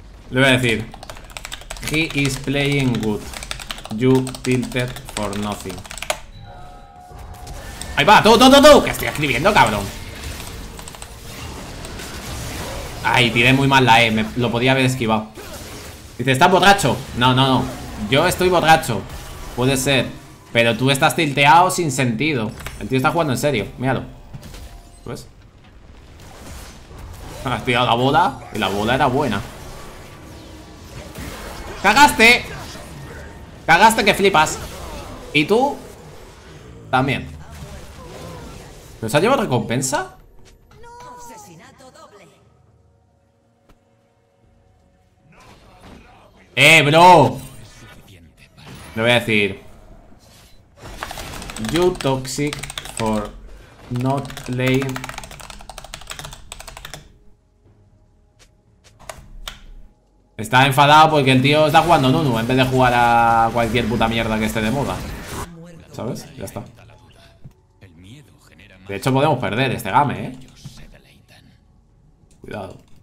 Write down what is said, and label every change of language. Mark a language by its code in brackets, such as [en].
[es] Le voy a decir, [en] he is playing good, you tilted for nothing. [es] ¡Ahí va! ¡Tú! ¡Que estoy escribiendo, cabrón! ¡Ay, tiré muy mal la E! Me lo podía haber esquivado. Dice, ¿estás borracho? No. Yo estoy borracho. Puede ser, pero tú estás tilteado sin sentido. El tío está jugando en serio, míralo. ¿Ves? Has tirado la bola y la bola era buena. ¡Cagaste! ¡Cagaste que flipas! Y tú... también. ¿Pero se ha llevado recompensa? ¡Eh, bro! Le voy a decir... [en] you toxic for not playing... [es] Está enfadado porque el tío está jugando Nunu en vez de jugar a cualquier puta mierda que esté de moda. ¿Sabes? Ya está. De hecho, podemos perder este game, ¿eh? Cuidado.